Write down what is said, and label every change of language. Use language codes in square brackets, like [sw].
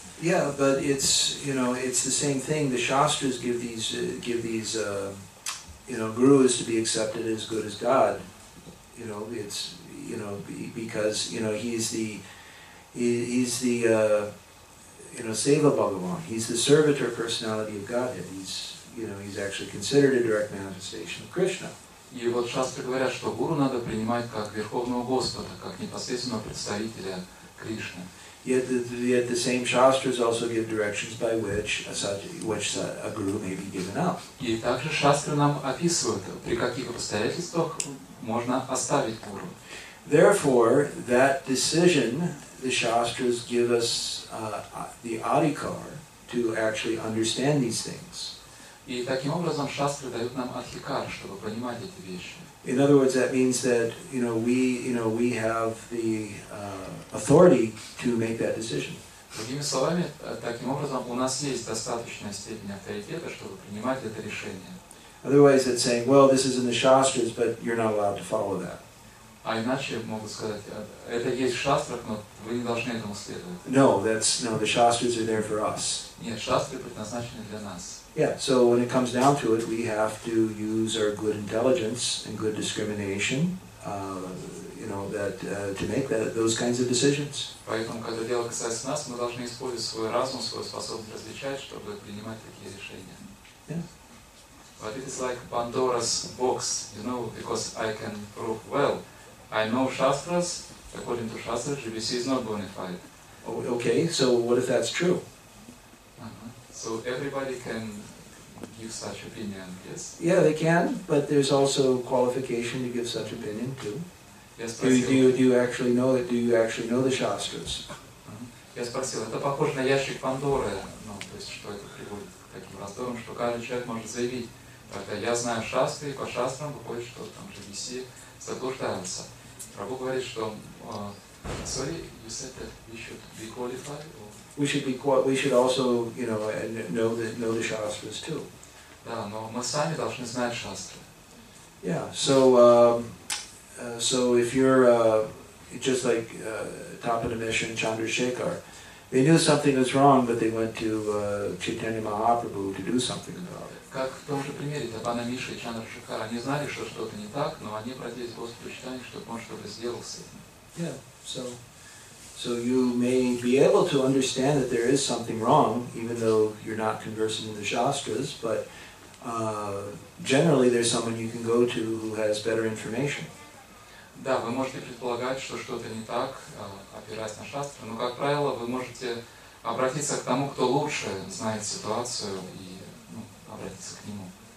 [en] Yeah, but it's, you know, it's the same thing. The Shastras give these gurus to be accepted as good as God. You know, it's, you know, because, you know, he's the Seva Bhagavan, he's the servitor personality of Godhead. He's actually considered a direct manifestation of Krishna. [ru] И вот шастры говорят, что гуру надо принимать как верховного господа, как непосредственного представителя Кришны. [en] Yet the same shastras also give directions by which a guru may be given up. [ru] И также шастры нам описывают, при каких обстоятельствах можно оставить гуру. [en] Therefore, that decision the shastras give us the adhikar to actually understand these things. [ru] И таким образом шастры дают нам адхикар, чтобы понимать эти вещи. [en] In other words, that means that, you know, we have the authority to make that decision. [ru] Другими словами, таким образом у нас есть достаточная степень авторитета, чтобы принимать это решение. [en] Otherwise, it's saying, well, this is in the shastras, but you're not allowed to follow that. [ru] А иначе могут сказать, это есть в шастрах, но вы не должны этому следовать. [en] No, the shastras are there for us. [ru] Нет, шастры предназначены для нас. [en] Yeah, so when it comes down to it, we have to use our good intelligence and good discrimination, to make those kinds of decisions. [ru] Поэтому, когда дело касается нас, мы должны использовать свой разум, свою способность различать, чтобы принимать такие решения. [en] Yeah. But it is like Pandora's box, you know, because I can prove well. I know Shastras, according to Shastras, GBC is not bona fide. Oh, okay, so what if that's true? So everybody can give such opinion, yes? Yeah, they can, but there's also qualification to give such opinion, too. Yes, do you actually know the Shastras? [ru] Я спросил, это похоже на ящик Пандоры, ну, то есть, что это приводит к таким раздорам, что каждый человек может заявить, тогда я знаю Шастры, и по Шастрам выходит, что там GBC заблуждается. Прабху говорит, что, [en] sorry, you said that we should be qualified, or? We should also know the shastras too. [ru] Да, но мы сами должны знать шастры. [en] Yeah. So if you're just like Tapanamish and Chandrasekhar, They knew something was wrong, but they went to Chaitanya Mahaprabhu to do something about it. [ru] Как в том же примере, для пана Миши и Чандра Шукара, они знали, что что-то не так, но они обратились к Господу Чайтанье, чтобы он что-то сделал с этим. [en] So you may be able to understand that there is something wrong, even though you're not conversing in the shastras, but generally there's someone you can go to who has better information. [ru] Да, вы можете предполагать, что что-то не так, опираясь на шастры, но, как правило, вы можете обратиться к тому, кто лучше знает ситуацию, и обратиться к нему.